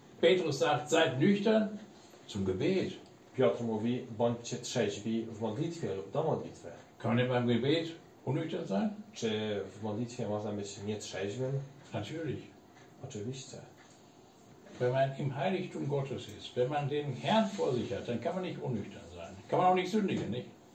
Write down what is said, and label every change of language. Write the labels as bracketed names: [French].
[German] Petrus sagt, seid nüchtern zum Gebet. [Polish] Piotr mówi, bądźcie trzeźwi w modlitwie lub do modlitwy. [German] Kann ich beim Gebet unnüchtern sein? [Polish] Czy w modlitwie można być nietrzeźwym? [German] Natürlich. [Polish] Oczywiście. [German] Wenn man im Heiligtum Gottes ist, wenn man den Herrn vor sich hat, dann kann man nicht unnüchtern sein. Kann man auch nicht sündigen, nicht?